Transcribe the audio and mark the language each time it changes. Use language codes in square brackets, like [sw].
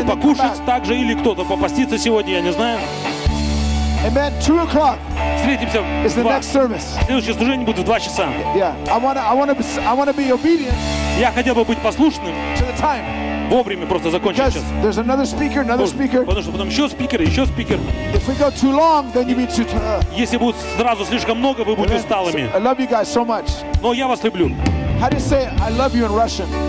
[ru] и покушать также или кто-то попаститься сегодня, я не знаю. [en] Amen. 2:00. [ru] Встретимся. [en] Is the next service. [ru] Следующее служение будет в 2 часа. [en] Yeah. I wanna be obedient. [ru] Я хотел бы быть послушным. [en] To the time. [ru] Вовремя просто закончить сейчас. [en] There's another speaker, another speaker. [ru] Потому что потом еще спикер. [en] If we go too long, then you'll be too. [ru] Если будет сразу слишком много, вы будете усталыми. [en] I love you guys so much. [ru] Но я вас люблю. [en] How do you say I love you in Russian?